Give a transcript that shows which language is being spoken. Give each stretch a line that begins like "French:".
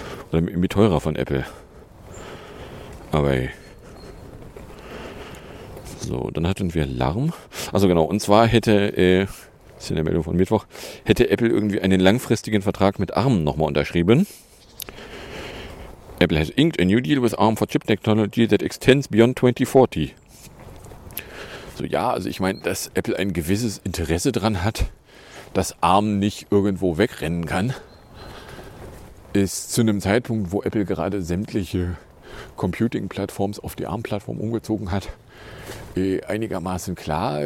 German: Oder mit teurer von Apple. Aber ey. So, dann hatten wir Alarm. Also genau, und zwar hätte, das ist in der Meldung von Mittwoch, hätte Apple irgendwie einen langfristigen Vertrag mit ARM nochmal unterschrieben.
English: Apple has inked a new deal with ARM for chip technology that extends beyond 2040.
German: So, ja, also ich meine, dass Apple ein gewisses Interesse dran hat, dass ARM nicht irgendwo wegrennen kann, ist zu einem Zeitpunkt, wo Apple gerade sämtliche Computing-Plattformen auf die ARM-Plattform umgezogen hat, einigermaßen klar.